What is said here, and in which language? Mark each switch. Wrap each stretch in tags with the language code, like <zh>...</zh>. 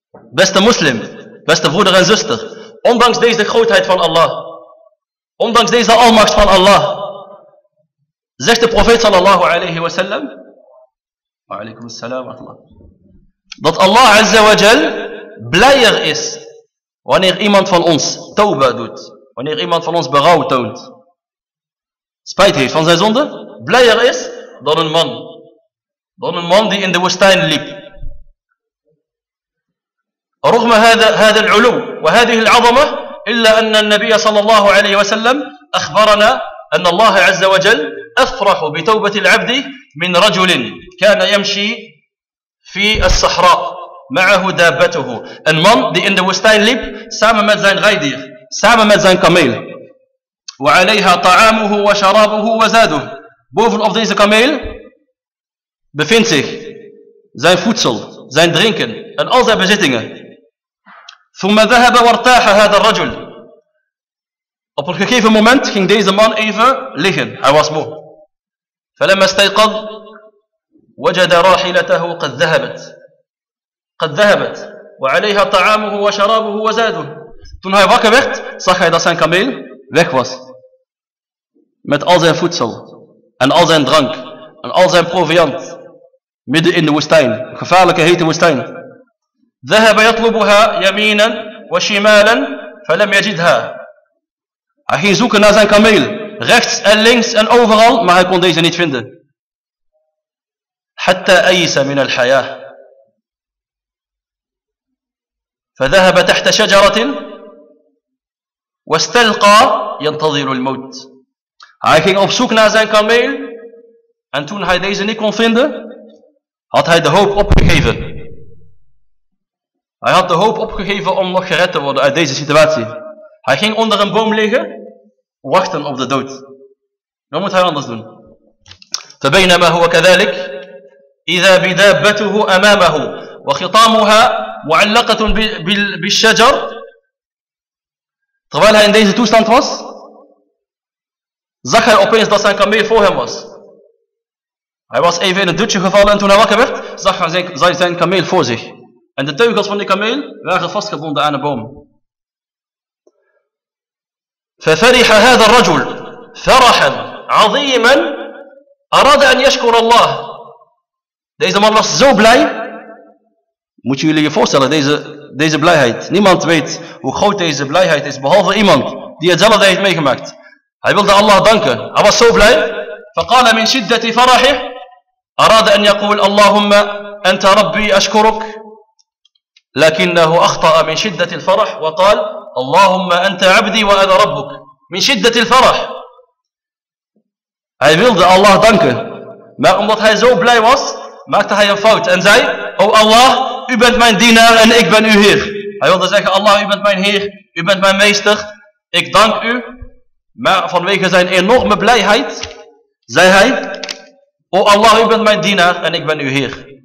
<nl>Beste moslim, beste broeder en zuster, ondanks deze grootheid van Allah, ondanks deze almacht van Allah, zegt de profeet sallallahu alayhi wa sallam,</nl> <ar>wa alaykum assalam wa rahmatullah,</ar> <nl>dat Allah azza wa jal blijer is wanneer iemand van ons tauba doet, wanneer iemand van ons berouw toont, spijt heeft van zijn zonde, blijer is dan een man. Dan een man die in de woestijn liep.</nl> <ar>رغم هذا العلو وهذه العظمة إلا أن النبي صلى الله عليه وسلم أخبرنا أن الله عز وجل أفرح بتوبة العبد من رجل كان يمشي في الصحراء معه دابته.</ar> <nl>Een man die in de woestijn liep samen met zijn rijdier, samen met zijn kameel.</nl> <ar>وعليها طعامه وشرابه وزاده.</ar> <nl>Bovenop deze kameel bevindt zich zijn voedsel, zijn drinken en al zijn bezittingen.</nl> <ar>ثم ذهب وارتاح هذا الرجل.</ar> <nl>Op een gegeven moment ging deze man even liggen. Hij was moe.</nl> <ar>فلما استيقظ وجد راحلته قد ذهبت. قد ذهبت وعليها طعامه وشرابه وزاده.</ar> <nl>Toen hij wakker werd, zag hij dat zijn kameel weg was. Met al zijn voedsel en al zijn drank en al zijn proviant. Midden in de woestijn, gevaarlijke hete woestijn.</nl> <ar>ذهب يطلبها يمينا وشمالا فلم يجدها.</ar> <nl>Hij ging zoeken naar zijn kameel, rechts en links en overal, maar hij kon deze niet vinden.</nl> <ar>حتى أيس من الحياة. فذهب تحت شجرة واستلقى ينتظر الموت.</ar> <nl>Hij ging op zoek naar zijn kameel en toen hij deze niet kon vinden, had hij de hoop opgegeven. Hij had de hoop opgegeven om nog gered te worden uit deze situatie. Hij ging onder een boom liggen, wachten op de dood. Wat moet hij anders doen?</nl> <ar>فبينما هو كذلك إذا بدابته أمامه وخطامها معلقة بالشجر.</ar> <nl>Terwijl hij in deze toestand was, zag hij opeens dat zijn kameel voor hem was. Hij was even in een dutje gevallen en toen hij wakker werd, zag hij zijn kameel voor zich. En de teugels van die kameel waren vastgebonden aan een boom.</nl> <ar>ففرح هذا الرجل فرحا عظيما أراد أن يشكر الله.</ar> <nl>Deze man was zo blij. Moet je jullie je voorstellen, deze blijheid. Niemand weet hoe groot deze blijheid is, behalve iemand die hetzelfde heeft meegemaakt. Hij wilde Allah danken. Hij was zo blij.</nl> <ar>فقال من شدة فرحه أراد أن يقول اللهم أنت ربي أشكرك. لكنه أخطأ من شدة الفرح وقال اللهم أنت عبدي وأنا ربك. من شدة الفرح.</ar> <nl>Hij wilde Allah danken. Maar omdat hij zo blij was, maakte hij een fout en zei: O Allah, u bent mijn dienaar en ik ben uw Heer. Hij wilde zeggen: Allah, u bent mijn Heer, u bent mijn meester, ik dank u. Maar vanwege zijn enorme blijheid zei hij: O Allah, u bent mijn dienaar en ik ben uw Heer.</nl>